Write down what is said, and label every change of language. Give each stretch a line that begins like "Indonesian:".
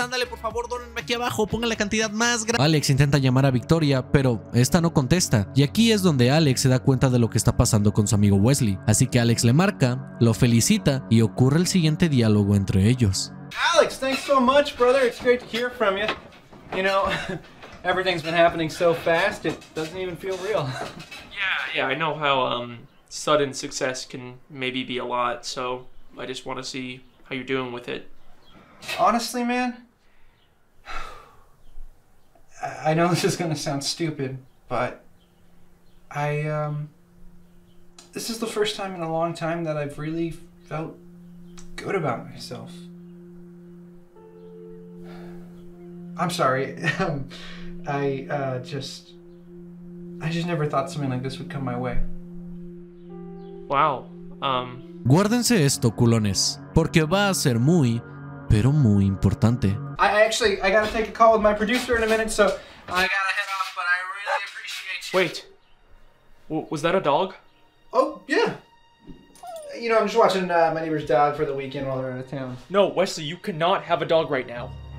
Spanish: Ándale, por favor, dónenme aquí abajo, pongan la cantidad más grande. Alex intenta llamar a Victoria, pero esta no contesta, y aquí es donde Alex se da cuenta de lo que está pasando con su amigo Wesley. Así que Alex le marca, lo felicita y ocurre el siguiente diálogo entre ellos.
English: Alex, thanks so much, brother. It's great to hear from you. You know, everything's been happening so fast, it doesn't even feel real. Yeah, I know how sudden success can maybe be a lot, so I just want to see how you're doing with it. Honestly, man, I know this is going to sound stupid, but this is the first time in a long time that I've really felt good about myself. I'm sorry. I just never thought something like this would come my way. Wow.
Spanish: Guárdense esto, culones, porque va a ser muy, pero muy importante.
English: I gotta take a call with my producer in a minute, so I gotta head off, but I really appreciate you. Wait. Was that a dog? Oh, yeah. You know, I'm just watching my neighbor's dog for the weekend while they're out of town. No, Wesley, you cannot have a dog right now.